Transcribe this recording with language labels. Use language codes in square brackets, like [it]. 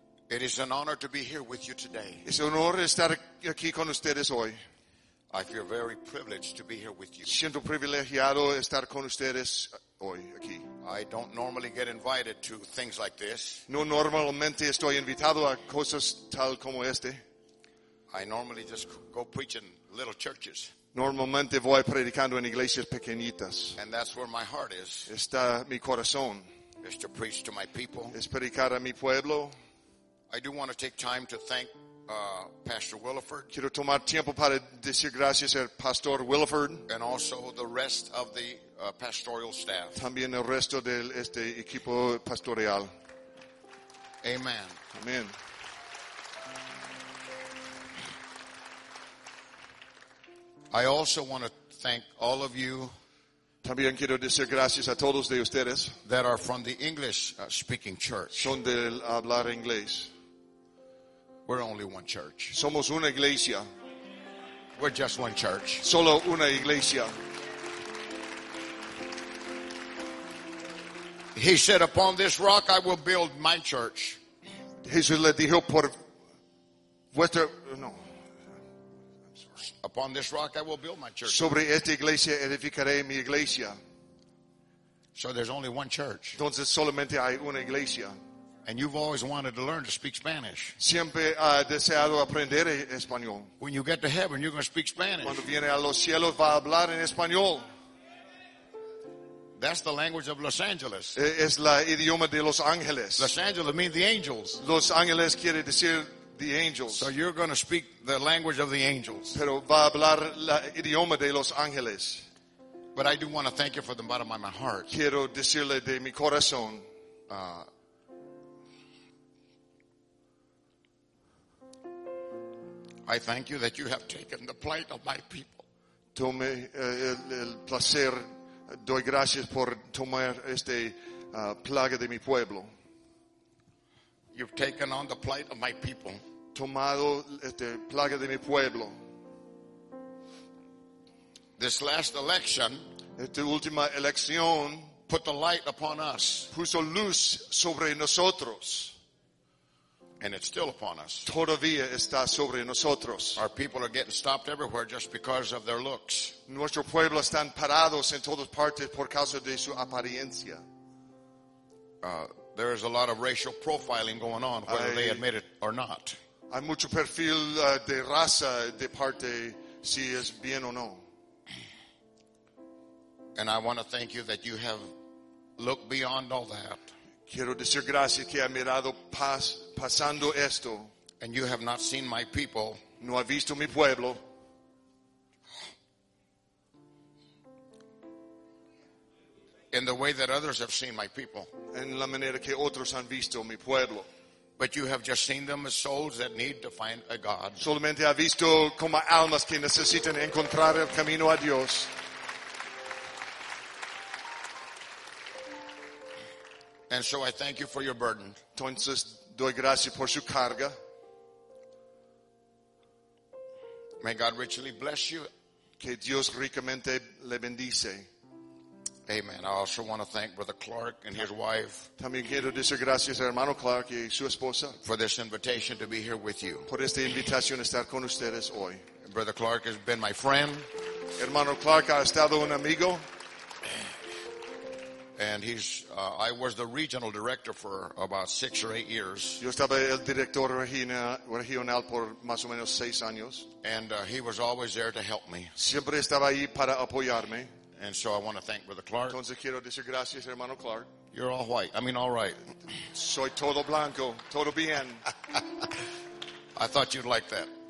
[en] It is an honor to be here with you today. [es] Es un honor estar aquí con ustedes hoy. [en] I feel very privileged to be here with you. [es] Siento privilegiado estar con ustedes hoy aquí. [en] I don't normally get invited to things like this. [es] No normalmente estoy invitado a cosas tal como este. [en] I normally just go preach in little churches. [es] Normalmente voy predicando en iglesias pequeñitas. [en] And that's where my heart is. [es] Está mi corazón. [en] Is to preach to my people. [es] Es predicar a mi pueblo. [en] I do want to take time to thank Pastor Williford. [es] Quiero tomar tiempo para decir gracias al Pastor Williford. [en] And also the rest of the pastoral staff. [es] También el resto de este equipo pastoral. [en] Amen. [es] Amen. [en] I also want to thank all of you. [es] También quiero decir gracias a todos de ustedes. [en] That are from the English speaking church. [es] Son del hablar inglés. [en] We're only one church. [es] Somos una iglesia. [en] We're just one church. [es] Solo una iglesia. [en] He said, upon this rock I will build my church. [es] Jesús le dijo, por vuestra... No. [en] Upon this rock I will build my church. [es] Sobre esta iglesia edificaré mi iglesia. [en] So there's only one church. [es] Entonces solamente hay una iglesia. [en] And you've always wanted to learn to speak Spanish. [es] Siempre ha deseado aprender español. [en] When you get to heaven, you're going to speak Spanish. [es] Cuando viene a los cielos, va a hablar en español. [en] That's the language of Los Angeles. [es] Es la idioma de Los Ángeles. [en] Los Angeles means the angels. [es] Los Ángeles quiere decir [en] the angels. So you're going to speak the language of the angels. [es] Pero va a hablar la idioma de Los Ángeles. [en] But I do want to thank you from the bottom of my heart. [es] Quiero decirle de mi corazón. [en] I thank you that you have taken the plight of my people. [es] Tome el placer, doy gracias por tomar este plaga de mi pueblo. [en] You've taken on the plight of my people. [es] Tomado este plaga de mi pueblo. [en] This last election, [es] esta última elección, [en] put the light upon us. [es] Puso luz sobre nosotros. [en] And it's still upon us. [es] Todavía está sobre nosotros. [en] Our people are getting stopped everywhere just because of their looks. [es] Nuestro pueblo están parados en todas partes por causa de su apariencia. [en] There is a lot of racial profiling going on, whether they admit it or not. [es] Hay mucho perfil de raza de parte si es bien o no. [en] And I want to thank you that you have looked beyond all that. [es] Quiero decir gracias que ha mirado pasando esto. [en] And you have not seen my people. [es] No ha visto mi pueblo. [en] In the way that others have seen my people. [es] En la manera que otros han visto mi pueblo. [en] But you have just seen them as souls that need to find a God. [es] Solamente ha visto como almas que necesitan encontrar el camino a Dios. [en] And so I thank you for your burden. [es] Entonces doy gracias por su carga. [en] May God richly bless you. [es] Que Dios ricamente le bendice. [en] Amen. I also want to thank Brother Clark and his wife. [es] También quiero decir gracias a hermano Clark y su esposa. [en] For this invitation to be here with you. [es] Por esta invitación a estar con ustedes hoy. [en] Brother Clark has been my friend. [es] Hermano Clark ha estado un amigo. [en] And I was the regional director for about 6 or 8 years. [es] Yo estaba el director regional por más o menos 6 años. [en] And he was always there to help me. [es] Siempre estaba ahí para apoyarme. [en] And so I want to thank Brother Clark. [es] Entonces quiero decir gracias, hermano Clark. [en] You're all white. I mean, all right. [es] Soy todo blanco, todo bien. [en] I thought you'd like that.